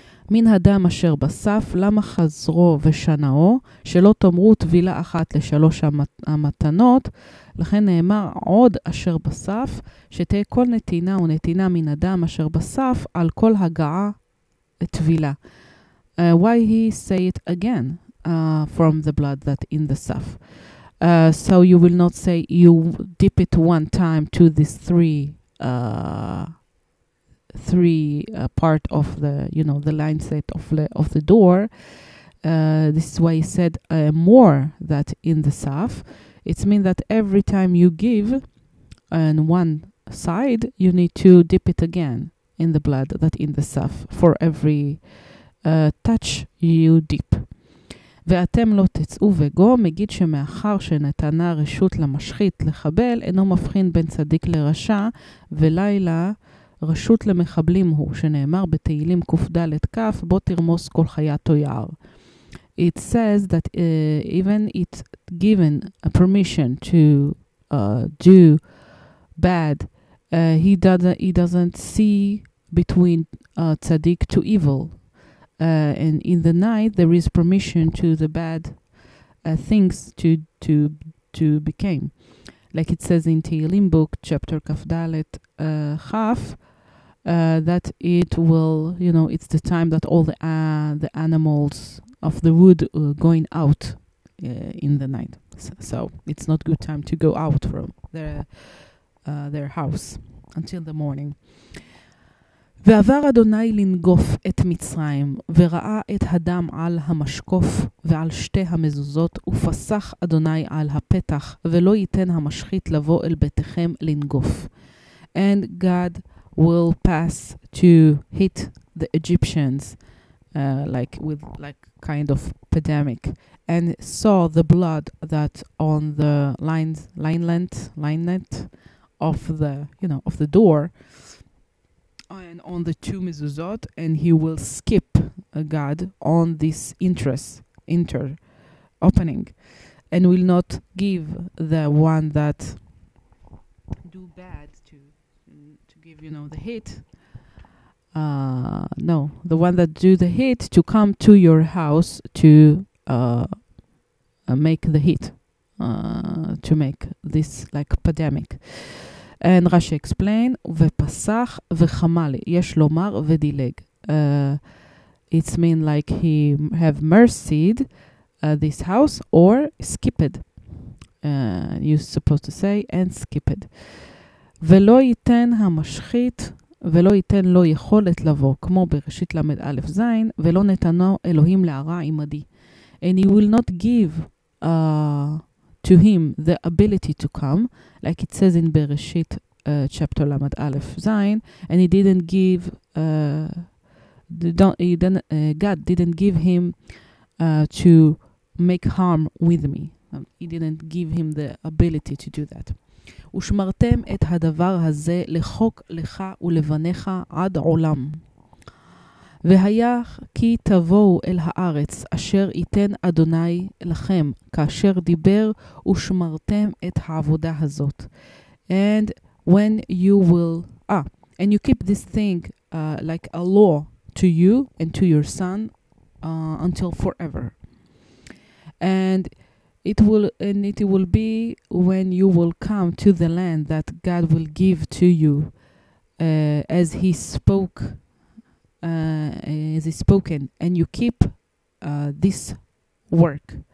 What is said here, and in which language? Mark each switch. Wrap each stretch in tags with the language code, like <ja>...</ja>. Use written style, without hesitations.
<he>מן הדם אשר בסף, למה חזרו ושנאו, שלא תאמרו תבילה אחת לשלוש המתנות, לכן נאמר עוד אשר בסף, שתהיה כל נתינה ונתינה מן הדם אשר בסף, על כל הגעה תבילה.</he> <en>Why he say it again, from the blood that in the saf. So you will not say you dip it one time to this three part of the, you know, the line set of the door. This is why he said more that in the saf. It means that every time you give on one side, you need to dip it again in the blood that in the saf for every touch you deep.</en> <he>ואתם לא תצאו וגו, מגיד שמאחר שנתנה רשות למשחית לחבל, אינו מבחין בין צדיק לרשע, ולילה רשות למחבלים הוא, שנאמר בתהילים קופדה לתקף, בו תרמוס כל חיית או יער.</he> <en>It says that even it's given a permission to do bad, he doesn't see between tzaddik to evil. And in the night there is permission to the bad things to become, like it says in Teheilim book chapter kafdalet chaf, that it will, you know, it's the time that all the animals of the wood going out in the night, so it's not good time to go out from their house until the morning.</en> <he>ועבר אדוני לנגוף את מצרים, וראה את הדם על המשקוף ועל שתי המזוזות, ופסח אדוני על הפתח, ולא ייתן המשחית לבוא אל ביתכם לנגוף.</he> <en>And God will pass to hit the Egyptians, like kind of pandemic, and saw the blood that on the line net of the, you know, of the door, and on the two mezuzot, and he will skip a God on this inter opening, and will not give the one that do bad to give, you know, the hit. No, the one that do the hit to come to your house to make the hit, to make this like pandemic. And Rashi explain,</en> <he>ופסח וחמל, יש לומר ודילג.</he> <en>It's mean like he have mercied this house or skipped. You're supposed to say, and skipped.</en> <he>ולא ייתן המשחית, ולא ייתן לו יכולת לבוא, כמו בראשית למד א' זין, ולא נתנו אלוהים להרע עמדי.</he> <en>And he will not give to him the ability to come, like it says in Bereshit chapter Lamad Aleph Zayin, and he didn't give God didn't give him to make harm with me. He didn't give him the ability to do that.</en> <he>ושמרתם את הדבר הזה לחוק לך ולבניך עד עולם. והיה כי תבואו אל הארץ אשר ייתן אדוני לכם כאשר דיבר ושמרתם את העבודה הזאת.</he> <en>And when you will, and you keep this thing like a law to you and to your son until forever. And it will be when you will come to the land that God will give to you as he spoke, as is spoken, and you keep this work.</en>